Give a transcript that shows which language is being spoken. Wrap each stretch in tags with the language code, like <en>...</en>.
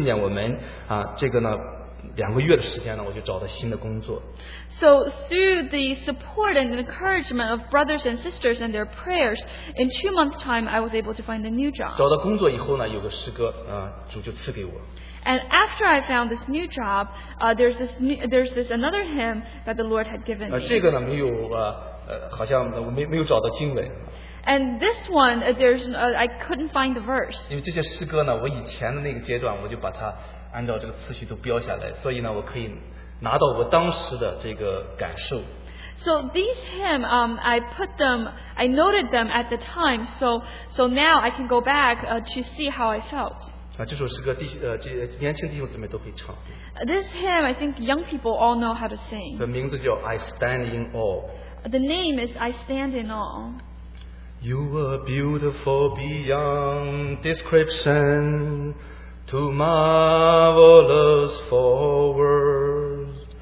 <zh>所以呢，我们我在主面前呢，还有弟兄姊妹也扶持我啊，在祷告上纪念我们啊，这个呢。两个月的时间呢，我就找到新的工作。</zh> <en>So through the support and encouragement of brothers and sisters and their prayers, in 2 months' time, I was able to find a new job.</en> <zh>找到工作以后呢，有个诗歌，主就赐给我。</zh> <en>And after I found this new job, there's this another hymn that the Lord had given me.</en> <zh>这个呢，没有，好像没有找到经文。</zh> <en>And this one, there's I couldn't find the verse.</en> <zh>因为这些诗歌呢，我以前的那个阶段，我就把它。按照这个次序都标下来，所以呢，我可以拿到我当时的这个感受。</zh> <en>So these hymns, I put them, I noted them at the time. So now I can go back to see how I felt.</en> <zh>啊，这首诗歌这年轻弟兄姊妹都可以唱。</zh> <en>This hymn, I think young people all know how to sing.</en> <zh>的名字叫 I Stand in Awe.</zh> <en>The name is I Stand in Awe. You are beautiful beyond description, too marvelous for words.</en>